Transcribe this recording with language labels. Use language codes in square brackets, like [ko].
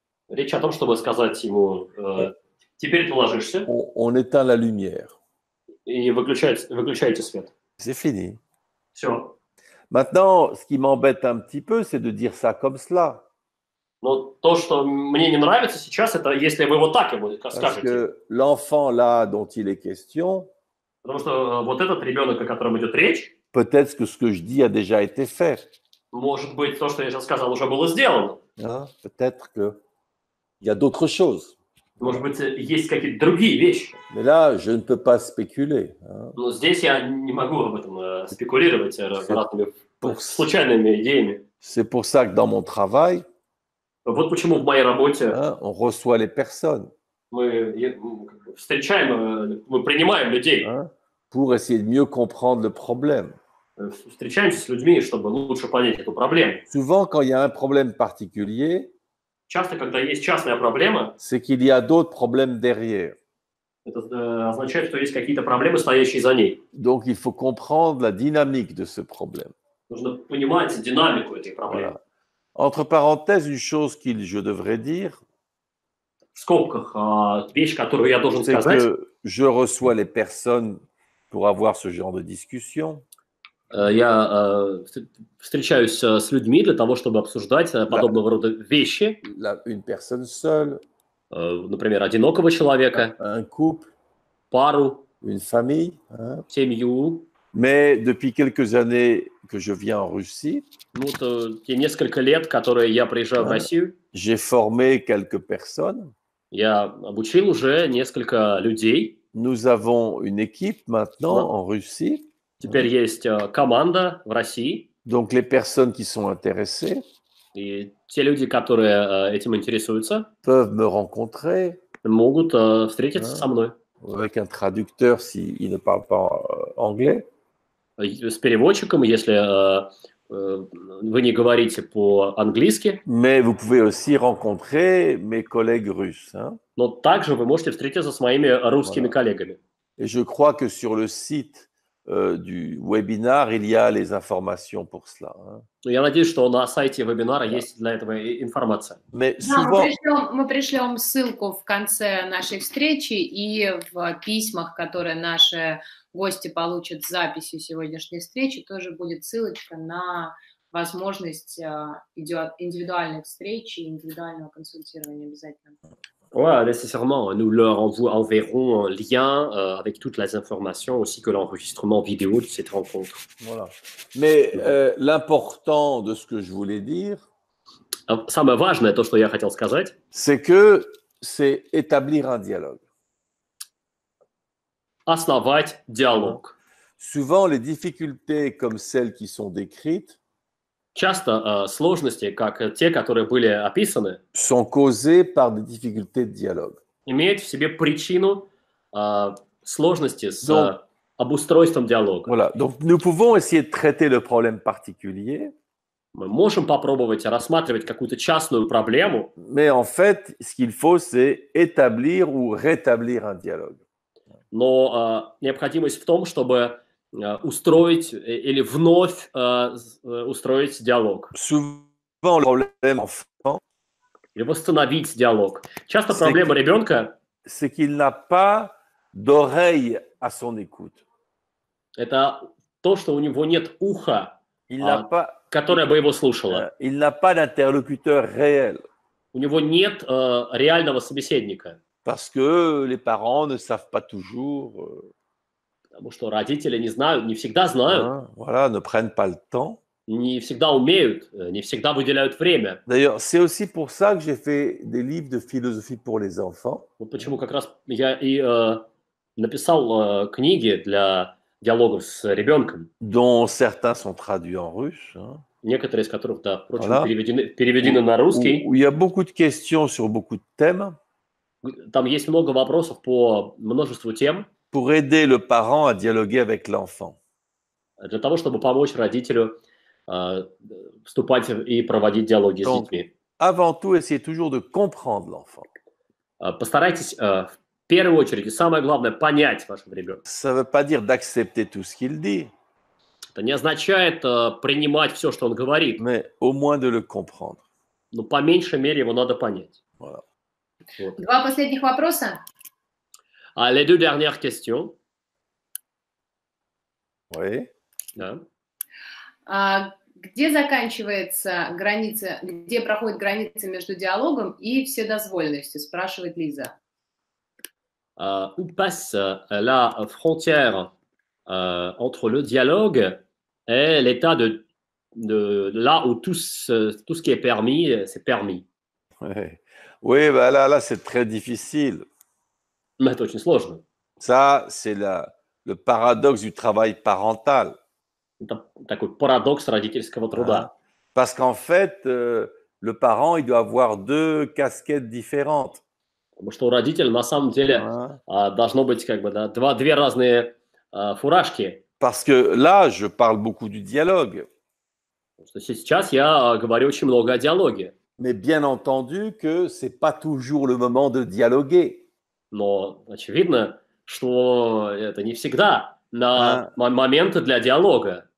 [ru] Речь о том, чтобы сказать ему, теперь ты ложишься. [fr] On éteint la lumière. [ru] И выключаете свет. [fr] C'est fini. [ru] Все. [fr] Maintenant, ce qui m'embête un petit peu, c'est de dire ça comme cela. [ru] Но то, что мне не нравится сейчас, это если вы вот так ему скажете. [fr] Parce que l'enfant là, dont il est question, [ru] потому что вот этот ребенок, о котором идет речь, [fr] peut-être que ce que je dis a déjà été fait. [ru] Может быть, то, что я сейчас сказал, уже было сделано. [fr] Peut-être que il y a d'autres choses. [ru] Может быть, есть какие-то другие вещи. [fr] Mais là, je ne peux pas spéculer. [ru] Но здесь я не могу об этом спекулировать разными случайными идеями. [fr] C'est pour ça que dans mon travail, [ru] вот почему в моей работе [fr] on reçoit les personnes. [ru] Мы принимаем людей. [fr] Pour essayer de mieux comprendre le problème. [ru] Встречаемся с людьми, чтобы лучше понять эту проблему. [fr] Souvent, quand il y a un problème particulier, [ru] часто, когда есть частная проблема, [fr] c'est qu'il y a d'autres problèmes derrière. [ru] Это означает, что есть какие-то проблемы, стоящие за ней. [fr] Donc, il faut comprendre la dynamique de ce problème. [ru] Нужно понимать динамику этой проблемы. [fr] Voilà. Entre parenthèses, une chose qu'il je devrais dire, [ru] в скобках, вещь, которую я должен [fr] c'est [ru] сказать, [fr] que je reçois les personnes pour avoir ce genre de discussion. [ru] Я встречаюсь с людьми для того, чтобы обсуждать подобного рода вещи. [fr] Une personne seule, [ru] например, одинокого человека, [fr] un couple, [ru] пару, [fr] une famille, [ru] семью. [fr] Mais depuis quelques années que je viens en Russie, [ru] вот, [fr] il y a [ru] несколько лет, которые я приезжаю в Россию, [fr] j'ai formé quelques personnes. [ru] Я обучил уже несколько людей. [fr] Nous avons une équipe maintenant en Russie. [ru] Теперь есть команда в России. [fr] Donc les personnes qui sont intéressées, [ru] и те люди, которые этим интересуются, [fr] peuvent me rencontrer, [ru] могут встретиться со мной. [fr] Avec un traducteur si il ne parle pas anglais. [ru] С переводчиком, если вы не говорите по-английски. [fr] Mais vous pouvez aussi rencontrer mes collègues russes, hein? [ru] Но также вы можете встретиться с моими русскими [fr] voilà. [ru] коллегами. [fr] Et je crois que sur le site du webinar, il y a les informations pour cela. [ru] Я надеюсь, что на сайте вебинара есть для этого информация. [fr] Mais souvent... [ru] мы пришлем ссылку в конце нашей встречи и в письмах, которые наши гости получат с записью сегодняшней встречи, тоже будет ссылочка на возможность индивидуальных встреч и индивидуального консультирования обязательно. [fr] Ouais, nécessairement. Nous leur enverrons un lien avec toutes les informations, ainsi que l'enregistrement vidéo de cette rencontre. Voilà. Mais l'important de ce que je voulais dire, [ru] самое важное, то, что я хотел сказать, [fr] c'est que c'est établir un dialogue. [ru] Основать диалог. [fr] Souvent, les difficultés comme celles qui sont décrites, [ru] часто сложности, как те, которые были описаны, [fr] sont causées par des difficultés de dialogue. [ru] Имеют в себе причину сложности с [fr] donc, [ru] обустройством диалога. [fr] Voilà. Donc, nous pouvons essayer de traiter le problème particulier. [ru] Мы можем попробовать рассматривать какую-то частную проблему. [fr] Mais en fait, ce qu'il faut, c'est établir ou rétablir un dialogue. [ru] Но необходимость в том, чтобы устроить или вновь устроить диалог. [fr] Souvent, le problème enfant, [ru] или восстановить диалог. Часто [fr] c'est [ru] проблема ребенка [fr] c'est qu'il n'a pas d'oreille à son écoute. [ru] Это то, что у него нет уха, которое бы его слушало. [fr] Il n'a pas d'interlocuteur réel. [ru] У него нет реального собеседника. [fr] Parce que les parents ne savent pas toujours. [ru] Потому что родители не знают, не всегда знают. [fr] Voilà, ne prennent pas le temps. [ru] не всегда умеют, не всегда выделяют время. [fr] D'ailleurs, c'est aussi pour ça que j'ai fait des livres de philosophie pour les enfants. [ru] Вот почему как раз я и написал книги для диалогов с ребенком. [fr] Dont certains sont traduits en russe. Hein. [ru] Некоторые из которых, да, впрочем, [fr] voilà. [ru] переведены на русский. [fr] Où il y a beaucoup de questions sur beaucoup de thèmes. [ru] Там есть много вопросов по множеству тем. [fr] Pour aider le parent à dialoguer avec l'enfant. [ru] Для того, чтобы помочь родителю вступать и проводить диалоги [fr] Donc, [ru] с детьми. [fr] Avant tout, essayez toujours de comprendre l'enfant. [ru] Постарайтесь в первую очередь и самое главное понять вашего ребенка. [fr] Ça veut pas dire d'accepter tout ce qu'il dit. [ru] Это не означает принимать все, что он говорит. [fr] Mais au moins de le comprendre. [ru] Но по меньшей мере его надо понять. [fr] Voilà. [ru] Вот. Два последних вопроса. [fr] Les deux dernières questions. Oui. [ru] Да. Где заканчивается граница, где проходит граница между диалогом и вседозволенностью, спрашивает Лиза. [fr] Où passe la frontière entre le dialogue et l'état de là où tout ce qui est permis, c'est permis. Oui, oui bah là, c'est très difficile. Mais c'est très difficile. Ça, c'est le paradoxe du travail parental. [ru] Такой парадокс родительского труда. [fr] Parce qu'en fait, le parent, il doit avoir deux casquettes différentes. [ru] Потому что у родителя на самом деле должно быть как бы да, две разные фуражки. [fr] Parce que là, je parle beaucoup du dialogue. [ru] Сейчас я говорю очень много о диалоге. [fr] Mais bien entendu que c'est pas toujours le moment de dialoguer. [ru] Но очевидно, что это не всегда на моменты для диалога.